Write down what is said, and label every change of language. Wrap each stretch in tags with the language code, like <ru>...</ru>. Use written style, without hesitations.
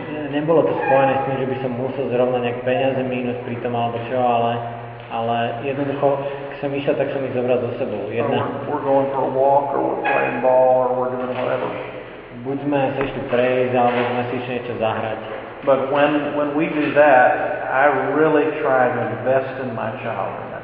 <sk>Nebolo to spojené s tým, že by som musel zrovna nejak peniaze minúť pri tom alebo čo, ale jednoducho, ak som išiel, tak som ich zobral so sebou.</sk> <en>We're going for a walk, or we're playing ball, or we're doing whatever.</en> <sk>Buď sme sa ešte prejsť, alebo sme si ešte niečo zahrať.</sk> <en>But when we do that, I really try to invest in my child.</en>